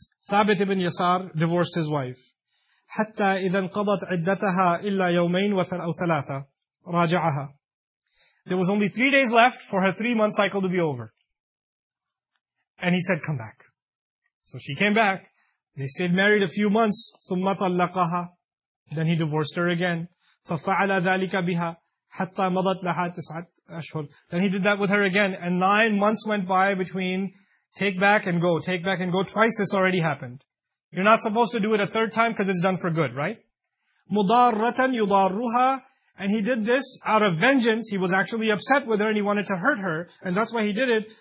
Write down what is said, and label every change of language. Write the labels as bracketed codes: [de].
[en] ثَابِتِ بْنُ يَسَارِ divorced his wife. [ar] حَتَّى إِذَا انْقَضَتْ عِدَّتَهَا إِلَّا يَوْمَيْن وَثَلَاثَ رَاجَعَهَا [en] There was only 3 days left for her 3 month cycle to be over. And he said, come back. So she came back. They stayed married a few months. [ar] ثُمَّ طَلَّقَهَا [en] Then he divorced her again. [ar] فَفَعَلَ ذَلِكَ بِهَا حَتَّى مَضَتْ لَهَا تِسْعَةَ أَشْهُرٍ [en] Then he did that with her again. And 9 months went by between take back and go, take back and go. Twice this already happened. You're not supposed to do it a third time because it's done for good, right? [ar] مُضَارَّةً يُضَارُّهَا [en] And he did this out of vengeance. He was actually upset with her and he wanted to hurt her. And that's why he did it.